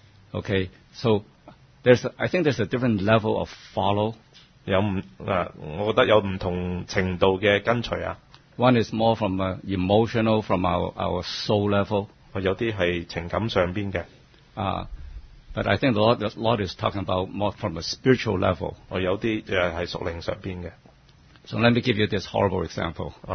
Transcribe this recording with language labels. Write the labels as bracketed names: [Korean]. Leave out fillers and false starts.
[English] Okay, so I think there's a different level of follow. [Cantonese] 我觉得有唔同程度嘅跟随啊。 [English] One is more from emotional, from our soul level. [Cantonese] 有啲系情感上边嘅。 [English] But I think the Lord is talking about more from a spiritual level. [Cantonese] 有啲系属灵上边嘅。 [English] So let me give you this horrible example.